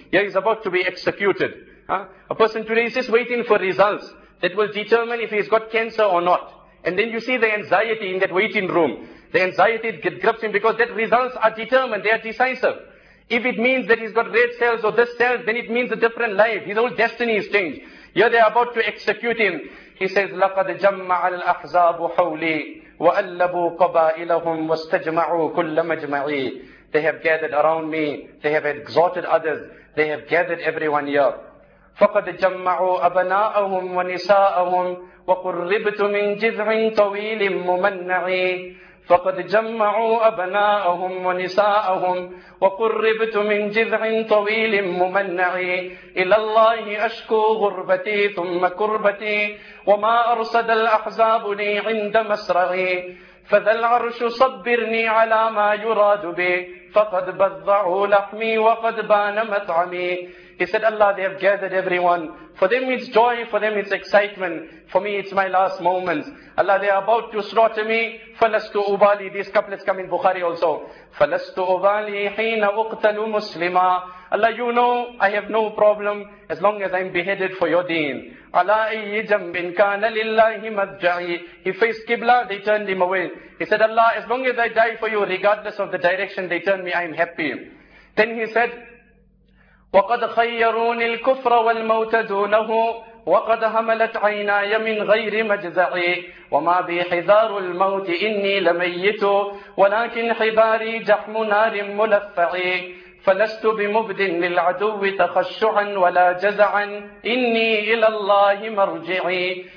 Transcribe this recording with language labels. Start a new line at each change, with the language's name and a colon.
English: Yeah, he's about to be executed. Huh? A person today is just waiting for results that will determine if he's got cancer or not. And then you see the anxiety in that waiting room. The anxiety grips him because that results are determined, they are decisive. If it means that he's got red cells or this cell, then it means a different life. His whole destiny is changed. Here they are about to execute him. He says,
Arabic: لَقَدْ جَمَّعَ الْأَحْزَابُ حَوْلِي وَأَلَّبُوا قَبَائِلَهُمْ وَاسْتَجْمَعُوا كُلَّ مَجْمَعِي.
English: They have gathered around me. They have exhorted others. They have gathered everyone here.
Arabic: فَقَدْ جَمَّعُوا أَبَنَاءَهُمْ وَنِسَاءَهُمْ وَقُرِّبْتُ مِنْ جِذْعٍ طَوِيلٍ مُمَنَّعِي. فَقَدْ جَمَّعُوا أَبْنَاءَهُمْ وَنِسَاءَهُمْ وَقُرِّبْتُ مِنْ جِذْعٍ طَوِيلٍ مُمَنَّعِي إِلَى اللَّهِ أَشْكُو غُرْبَتِي ثُمَّ كُرْبَتِي وَمَا أَرْصَدَ الْأَحْزَابُ لِي عِنْدَ مَسْرَغِي فَذَا الْعَرْشُ صَبِّرْنِي عَلَى مَا يُرَادُ بِي فَقَدْ بَضَّعُوا لَحْمِي وَقَدْ بَانَ مَطْعَمِي.
English: He said, Allah, they have gathered everyone. For them it's joy, for them it's excitement. For me it's my last moments. Allah, they are about to slaughter me.
Arabic: فَلَسْتُ أُبَالِي.
English: These couplets come in Bukhari also.
Arabic: فَلَسْتُ أُبَالِي حِينَ أُقْتَلُ مُسْلِمًا.
English: Allah, you know I have no problem as long as I'm beheaded for your deen.
Arabic: عَلَىٰ أَيِّ جَنْبٍ كَانَ لِلَّهِ مَدْجَعِي.
English: He faced Qibla, they turned him away. He said, Allah, as long as I die for you, regardless of the direction they turn me, I am happy. Then he said,
Arabic: وَقَدْ خَيَّرُونِ الْكُفْرَ وَالْمَوْتَ دُونَهُ وَقَدْ هَمَلَتْ عَيْنَايَ مِنْ غَيْرِ مَجْزَعِي وَمَا بِي حِذَارُ الْمَوْتِ إِنِّي لَمَيِّتُ وَلَكِنْ حِبَارِي جَحْمُ نَارٍ مُلَفَّعِي فَلَسْتُ بِمُبْدٍ لِلْعَدُوِّ تَخَشُّعًا وَلَا جَزَعًا إِنِّي إِلَى اللَّهِ مَرْجِعِي.